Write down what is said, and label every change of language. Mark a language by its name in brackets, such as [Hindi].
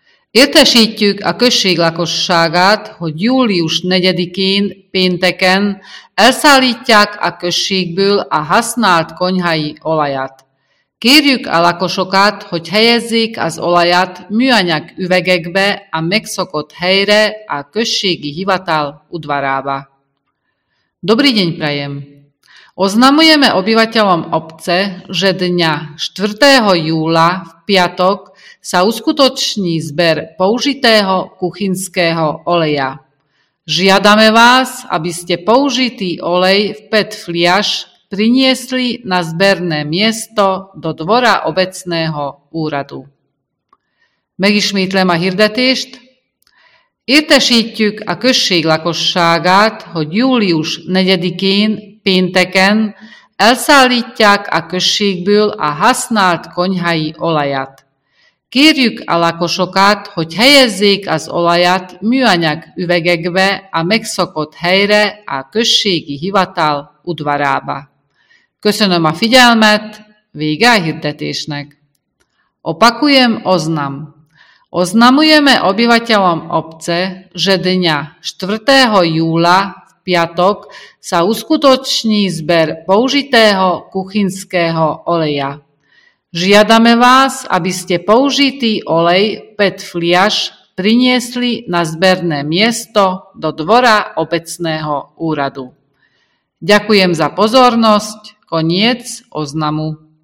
[Hungarian] Értesítjük a község lakosságát, hogy július 4-én pénteken elszállítják a községből a használt konyhai olajat. Kérjük a lakosokat, hogy helyezzék az olajat műanyag üvegekbe a megszokott helyre a községi hivatal udvarába. [Slovak] Dobrý deň prajem! Oznamujeme obyvateľom obce, že dňa 4. júla v piatok sa uskutoční zber použitého kuchynského oleja. Žiadame vás, aby ste použitý olej v PET fliaš priniesli na zberné miesto do dvora obecného úradu. [Hungarian] Megismétlem a hirdetést. Értesítjük a község lakosságát, hogy július 4-én pénteken elszállítják a községből a használt konyhai olajat. Kérjük a lakosokat, hogy helyezzék az olajat műanyag üvegekbe a megszokott helyre a községi hivatal udvarába. Köszönöm a figyelmet, vége a hirdetésnek. [Slovak] Opakujem oznam. Oznamujeme obyvateľom obce, že dňa 4. júla piatok sa uskutoční zber použitého kuchynského oleja. Žiadame vás, aby ste použitý olej PET fliaš priniesli na zberné miesto do dvora obecného úradu. Ďakujem za pozornosť. Koniec oznamu.